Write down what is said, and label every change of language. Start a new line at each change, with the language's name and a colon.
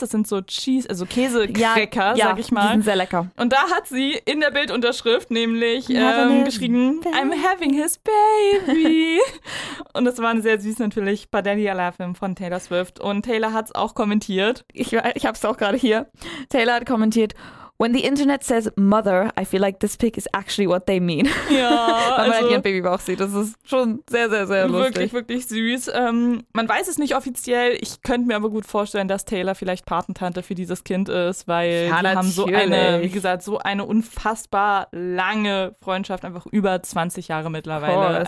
German: Das sind so Cheese, also Käsecracker, sag ich mal. Die sind sehr lecker. Und da hat sie in der Bildunterschrift nämlich geschrieben,
English: I'm having his baby.
German: Und das war sehr süß natürlich bei Daddy Alive-Film von Taylor Swift. Und Taylor hat es auch kommentiert. Ich hab's auch gerade hier. Taylor hat kommentiert,
English: When the internet says mother, I feel like this pic is actually what they mean.
German: Ja, wenn man also, halt ihren Babybauch sieht, das ist schon sehr, sehr, sehr lustig. Wirklich, wirklich süß. Man weiß es nicht offiziell. Ich könnte mir aber gut vorstellen, dass Taylor vielleicht Patentante für dieses Kind ist, weil ja, die natürlich. Haben so eine, wie gesagt, so eine unfassbar lange Freundschaft, einfach über 20 Jahre mittlerweile.